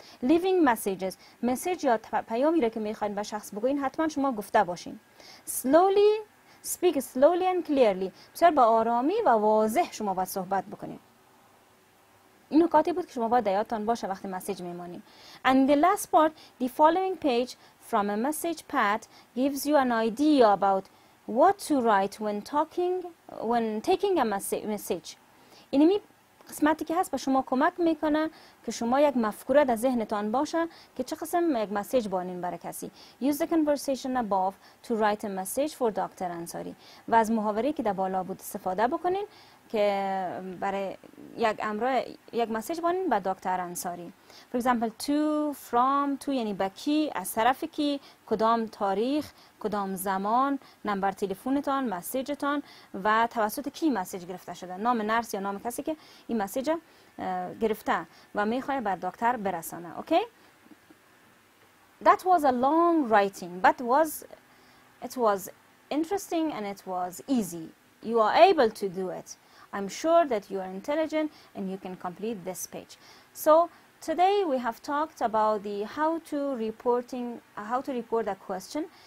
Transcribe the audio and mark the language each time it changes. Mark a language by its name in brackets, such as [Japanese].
[English] Leaving messages. [Persian] مسیج یا پیامی را که میخواین به شخص بگوین حتما شما گفته باشین. [English] Slowly speak slowly and clearly. [Persian] بسیار با آرامی و واضح شما باید صحبت بکنید. این نکاتی بود که شما باید یادتان باشه وقتی مسیج میمانید. [English] And the last part, the following page from a message pad gives you an idea about what to write when talking, when taking a message. [Persian] اینمی قسمتی که هست به شما کمک میکنه که شما یک مفکوره در ذهنتان باشه که چه قسم یک مسیج بانین برای کسی. [English] Use the conversation above to write a message for Dr. Ansari. [Persian] و از محاوره که در بالا بود استفاده بکنین که برای یک امر یک مسیج بانین به دکتر انصاری. [English] For example, to, from, to [Persian] یعنی به کی، از طرف کی، کدام تاریخ، کدام زمان، نمبر تلفنتان، مسیجتان و توسط کی مسیج گرفته شده. نام نرس یا نام کسی که این مسیج گرفته و میخواد بر دکتر برسانه. [English] Okay? That was a long writing, but it was interesting and it was easy. You are able to do it. I'm sure that you are intelligent and you can complete this page. So today we have talked about the how to report a question.